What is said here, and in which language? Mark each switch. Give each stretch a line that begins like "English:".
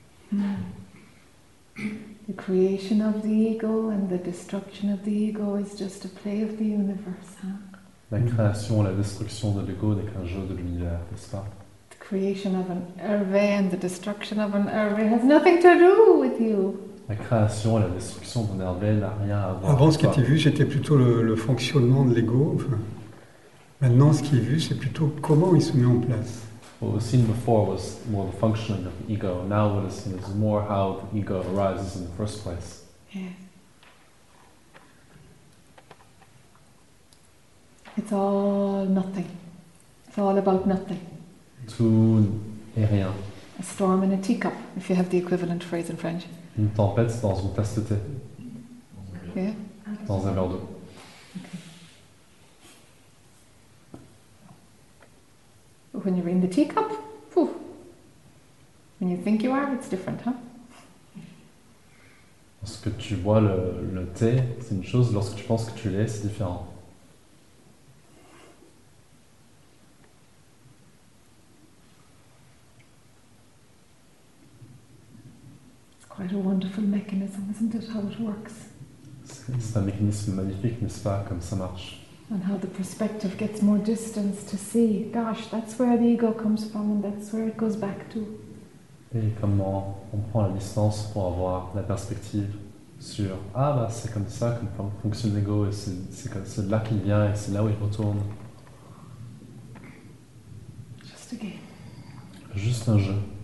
English: The creation of the ego and the destruction of the ego is just a play of the universe, huh?
French: La création, la destruction de l'ego n'est qu'un jeu de l'univers, n'est-ce pas?
English: The creation of an Hervé and the destruction of an Hervé has nothing to do with you.
French: La création et la destruction d'un Hervé n'a rien à voir. Avant, ce qui était vu, c'était plutôt le fonctionnement de l'ego. Enfin, maintenant, ce qui est vu, c'est plutôt comment il se met en place.
English: What was seen before was more the functioning of the ego. Now what is seen is more how the ego arises in the first place. Yeah. It's all nothing. It's all about nothing.
French: Tout et rien.
English: A storm in a teacup, if you have the equivalent phrase in French.
French: Une tempête dans une tasse de thé.
English: Yeah.
French: Dans un verre d'eau.
English: When you're in the teacup, poof. When you think you are, it's different, huh?
French: Lorsque tu bois le thé, c'est une chose. Lorsque tu penses que tu l'es, c'est différent.
English: It's quite a wonderful mechanism, isn't it, how it works?
French: C'est un mécanisme magnifique, n'est-ce pas, comme ça marche.
English: And how the perspective gets more distance to see. Gosh, that's where the ego comes from, and that's where it goes back to.
French: Et comment on prend la distance pour avoir la perspective sur ah bah c'est comme ça que fonctionne l'ego et c'est là qu'il vient et c'est là où il retourne.
English: Just a game.
French: Juste un jeu.